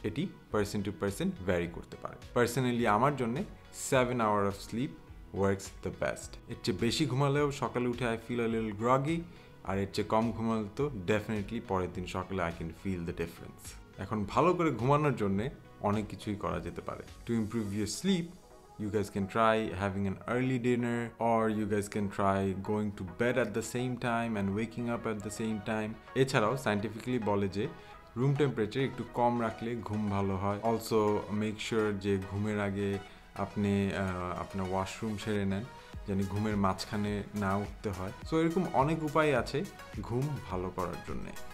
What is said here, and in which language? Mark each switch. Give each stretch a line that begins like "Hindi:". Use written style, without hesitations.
Bangla: এটি person to person vary করতে পারে। পার্সোনালি আমার জন্যে
English: 7 hour of sleep works the best.
Bangla: এর চেয়ে বেশি ঘুমালেও সকালে উঠে
English: I feel a little groggy,
Bangla: আর এর চেয়ে কম ঘুমালে তো ডেফিনেটলি পরের দিন সকালে
English: I can feel the difference.
Bangla: এখন ভালো করে ঘুমানোর জন্যে অনেক কিছুই করা যেতে পারে।
English: To improve your sleep You guys can try having an early dinner, or you guys can try going to bed at the same time and waking up at the same time.
Bangla: এছাড়াও scientifically বলে যে room temperature একটু কম রাখলে ঘুম ভালো হয়।
English: also make sure
Bangla: যে ঘুমের আগে আপনি আপনার ওয়াশরুম সেরে নেন, যেন ঘুমের মাঝখানে না উঠতে হয়। সো এরকম অনেক উপায় আছে ঘুম ভালো করার জন্যে।